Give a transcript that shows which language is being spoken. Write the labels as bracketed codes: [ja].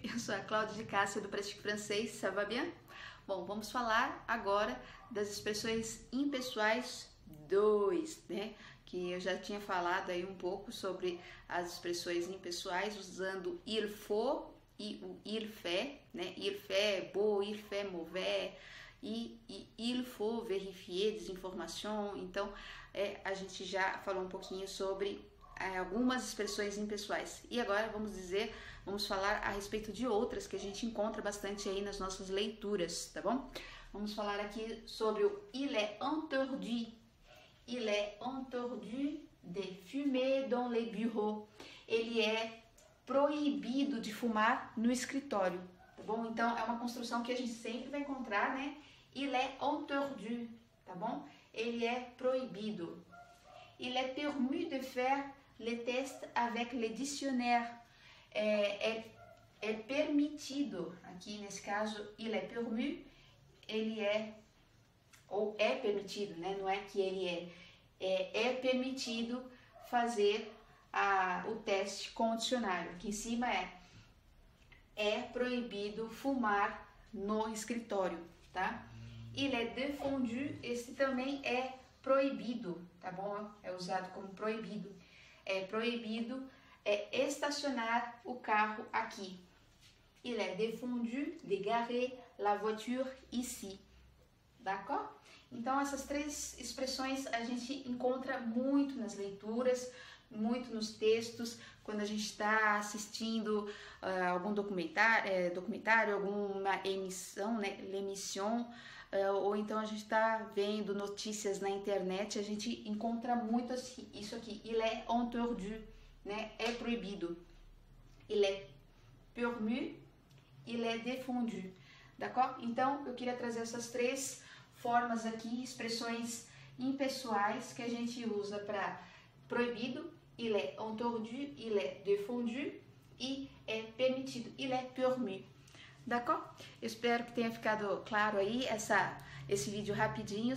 [pt] Eu sou a Cláudia de Cássia, do Pratique Francês. [fr] Ça va bien? [pt] Bom, vamos falar agora das expressões impessoais 2, né? Que eu já tinha falado aí um pouco sobre as expressões impessoais, usando [fr] il faut [pt] e o [fr] il fait, [pt] né? [fr] Il fait beau, il fait mauvais, e il faut vérifier des informations. [pt] Então, a gente já falou um pouquinho sobre algumas expressões impessoais. E agora vamos falar a respeito de outras que a gente encontra bastante aí nas nossas leituras, tá bom? Vamos falar aqui sobre o [fr] il est interdit. Il est interdit de fumer dans les bureaux. [pt] Ele é proibido de fumar no escritório, tá bom? Então é uma construção que a gente sempre vai encontrar, né? [fr] Il est interdit, [pt] tá bom? Ele é proibido. [fr] Il est permis de faire le test avec le dictionnaire. [pt] É permitido, aqui nesse caso, [fr] il est permis, [pt] ele é, ou é permitido, né? Não é que ele é permitido fazer o teste com o dicionário. Aqui em cima é proibido fumar no escritório, tá? [fr] Il est défendu, [pt] esse também é proibido, tá bom? É usado como proibido. É proibido estacionar o carro aqui. [fr] Il est défendu de garer la voiture ici. D'accord? [pt] Então, essas três expressões a gente encontra muito nas leituras, muito nos textos, quando a gente está assistindo algum documentário, alguma emissão, né? [fr] L'émission, [pt] ou então a gente está vendo notícias na internet, a gente encontra muito isso aqui. [fr] Il est interdit, né? [pt] É proibido. [fr] Il est permis, il est défendu. D'accord? [pt] Então, eu queria trazer essas três formas aqui, expressões impessoais que a gente usa para proibido. [fr] Il est interdit, il est défendu [pt] e é permitido. [fr] Il est permis. D'accord? [pt] Espero que tenha ficado claro aí esse vídeo rapidinho.